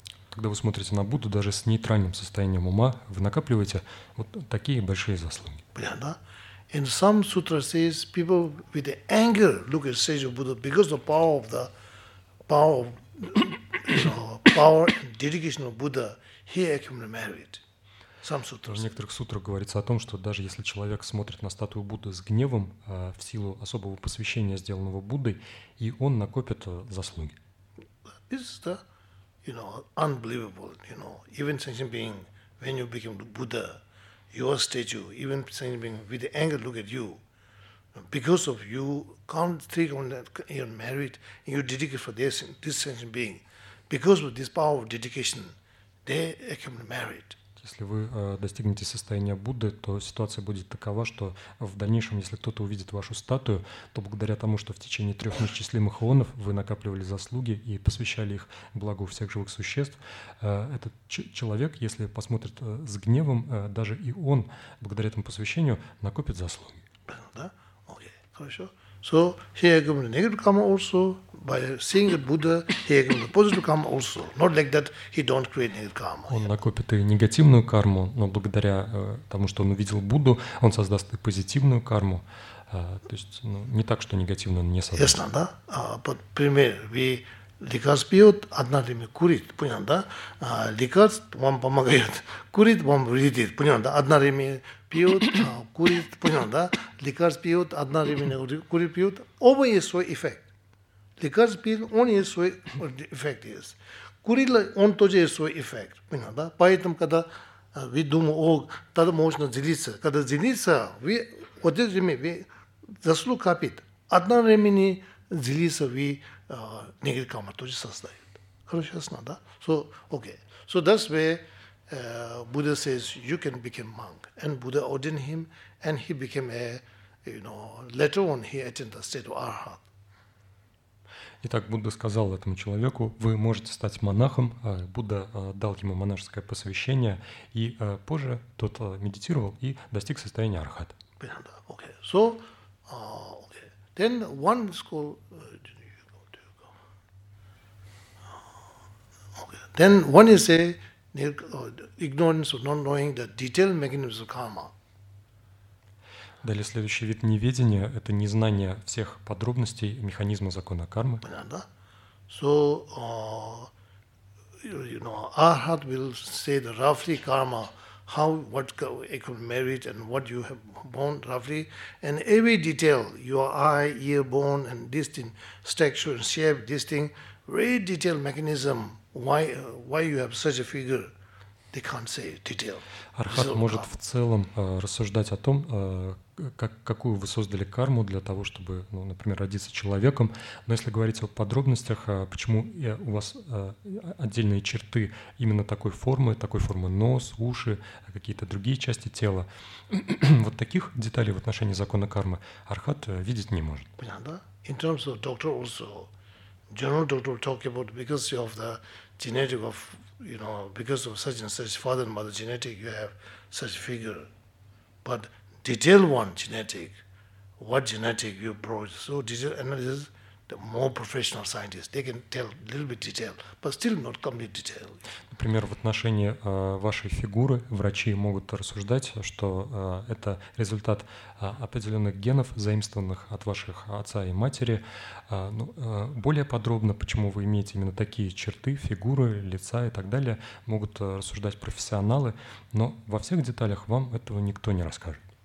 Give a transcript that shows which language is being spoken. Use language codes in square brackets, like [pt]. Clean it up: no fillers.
[ru] Когда вы смотрите на Будду, даже с нейтральным состоянием ума, вы накапливаете вот такие большие заслуги. Понятно? [en] In some sutra says people with the anger look at statue of Buddha because of the power of power and dedication of Buddha, he accumulated merit. Some sutras. [ru] В некоторых сутрах говорится о том, что даже если человек смотрит на статую Будды с гневом в силу особого посвящения, сделанного Буддой, и он накопит заслуги. [en] This is the, you know, unbelievable. You know, even sentient being, when you become Buddha, your statue, even sentient being with anger look at you, because of you count three your merit, you dedicate for this sentient being. Because of this power of dedication, they accumulate merit. [ru] Если вы достигнете состояния Будды, то ситуация будет такова, что в дальнейшем, если кто-то увидит вашу статую, то благодаря тому, что в течение трех неисчислимых эонов вы накапливали заслуги и посвящали их благу всех живых существ, этот человек, если посмотрит с гневом, даже и он, благодаря этому посвящению, накопит заслуги. Да? Окей, хорошо. [en] So he accumulated negative karma also by seeing the Buddha. He accumulated positive karma also. Not like that, he don't create negative karma. [ru] Он накопит и негативную карму, но благодаря тому, что он увидел Будду, он создаст и позитивную карму. То есть, ну, не так, что негативную он не создаст. Ясно, да? Под пример, ви лекарств пьет, одна время курит, понятно, да? Лекарств вам помогает, курит вам вредит, понятно, да? Одна время пьет, курит, понял, да? Лекарств пьет, одна время курит, пьет. Оба есть свой эффект. Лекарств пьет, он есть свой эффект. Курит, он тоже есть свой эффект, понял, да? Поэтому, когда вы думаете, о, тогда можно делиться. Когда делиться, вы вот это время, вы заслуг копит. Одна времени делиться, вы негатив карма тоже создает. Хорошо, ясно, да? [en] So, okay. So that's where Buddha says you can become monk, and Buddha ordained him, and he became a, you know, later on he attained the state of arhat. [ru] Итак, Будда сказал этому человеку: вы можете стать монахом. Будда дал ему монашеское посвящение, и позже тот медитировал и достиг состояния архат. Понятно. [en] Okay. So, okay. Then one school. Okay. Then one is a ignorance of not knowing the detailed mechanisms of karma. [ru] Далее следующий вид неведения – это незнание всех подробностей механизма закона кармы. Понятно? [en] So, you know, arhat will say the roughly karma, how, what you merit and what you have born roughly, and every detail, your eye, ear, bone, and this thing, structure, shape, this thing, very detailed mechanism. Why you have such a figure? they can't say detail. [ru] Архат может в целом рассуждать о том, какую вы создали карму для того, чтобы, ну, например, родиться человеком. Но если говорить о подробностях, почему у вас отдельные черты именно такой формы нос, уши, какие-то другие части тела, вот таких деталей в отношении закона кармы Архат видеть не может. Понятно. [en] In terms of doctor also, general doctor will talk about because of the genetic of, you know, because of such and such father and mother genetic, you have such figure. But detail one genetic, what genetic you brought. So detail analysis, the more professional scientists, they can tell a little bit detail, but still not complete detail. [ru] Например, в отношении вашей фигуры врачи могут рассуждать, что это результат определенных генов, заимствованных от ваших отца и матери. Более подробно, почему вы имеете именно такие черты, фигуры, лица и так далее, могут рассуждать профессионалы, но во всех деталях вам этого никто не расскажет.